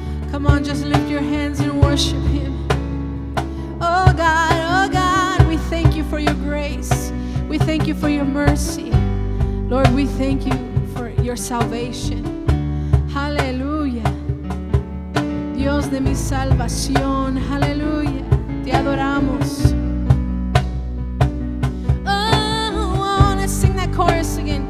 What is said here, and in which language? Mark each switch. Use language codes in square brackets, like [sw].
[en] Come on, just lift your hands and worship him. Oh God, oh God, we thank you for your grace. We thank you for your mercy. Lord, we thank you for your salvation. [es] Aleluya, Dios de mi salvación, aleluya, te adoramos. [en] Oh, I wanna sing that chorus again.